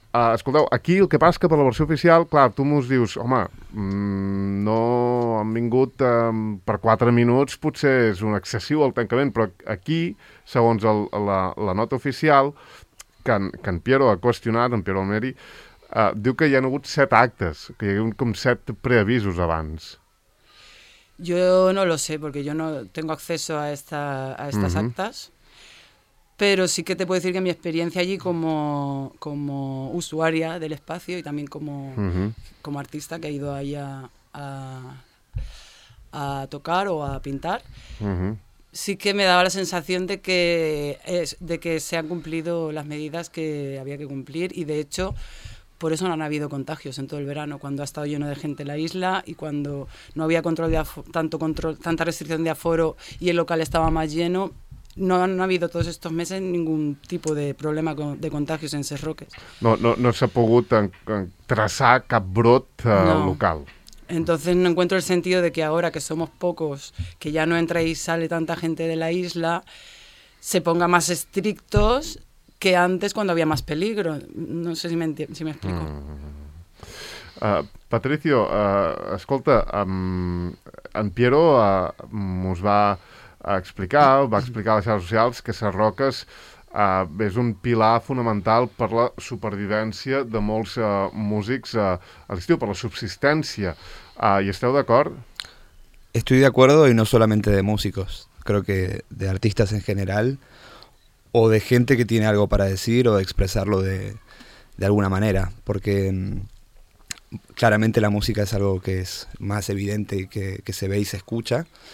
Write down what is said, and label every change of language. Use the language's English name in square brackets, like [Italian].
[Catalan] Escolteu, aquí el que passa és que per la versió oficial, clar, tu m'ho dius, home, no han vingut per 4 minuts, potser és un excessiu el tancament, però aquí, segons la nota oficial, que en Piero ha qüestionat, en Piero Almeri, diu que hi ha hagut 7 actes, que hi ha hagut com 7 preavisos abans. [Spanish] Jo no lo sé, perquè jo no tengo acceso a estas actes. Pero sí que te puedo decir que mi experiencia allí como usuaria del espacio y también como artista que ha ido allá a tocar o a pintar, sí que me daba la sensación de que se han cumplido las medidas que había que cumplir y, de hecho, por eso no han habido contagios en todo el verano, cuando ha estado lleno de gente la isla y cuando no había tanta restricción de aforo y el local estaba más lleno. No, no ha habido todos estos meses ningún tipus de problema de contagios en Ses Roques. [Catalan] No s'ha pogut traçar cap brot local. [Spanish] Entonces no encuentro el sentido de que ahora que somos pocos, que ya no entra y sale tanta gente de la isla, se ponga más estrictos que antes cuando había más peligro. No sé si me explico. [Catalan] Patricio, escolta, en Piero mos va explicar, va explicar a les xarxes socials que Ses Roques és un pilar fonamental per la supervivència de molts músics a l'estiu, per la subsistència. ¿Y esteu d'acord? [Spanish] Estoy de acuerdo, y no solamente de músicos. Creo que de artistas en general, o de gente que tiene algo para decir o de expresarlo de alguna manera. Porque claramente la música es algo que es más evidente y que se ve y se escucha.